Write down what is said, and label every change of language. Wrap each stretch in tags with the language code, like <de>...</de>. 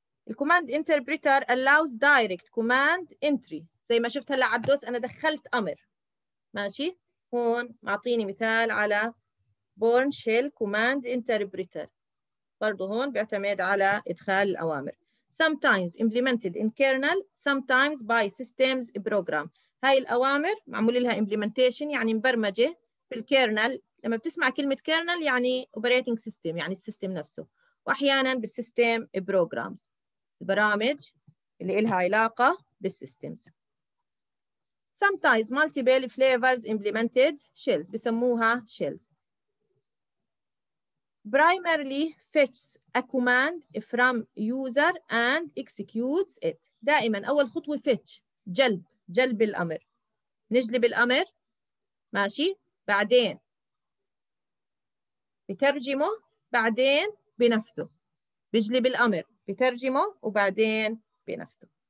<ar>الكوماند انتربريتر</ar> <en>allows direct command entry،</en> <ar>زي ما شفت هلا على الدوس انا دخلت امر. ماشي، هون معطيني مثال على born shell command interpreter، برضه هون بيعتمد على ادخال الاوامر.</ar> <en>sometimes implemented in kernel sometimes by systems program،</en> <ar>هاي الاوامر معمول لها implementation يعني مبرمجه بالكيرنل. لما بتسمع كلمه كيرنل يعني operating system، يعني السيستم نفسه، واحيانا بالسيستم programs، البرامج اللي إلها علاقة بالسيستمز.</ar> <en>Sometimes multiple flavors implemented shells،</en> <ar>بسموها</ar> <en>shells. Primarily fetches a command from user and executes it.</en> <ar>دائماً أول خطوة fetch، جلب الأمر، نجلب الأمر. ماشي، بعدين بترجمه، بعدين بنفذه. بجلب الأمر، بترجمه، وبعدين بنفذه.</ar>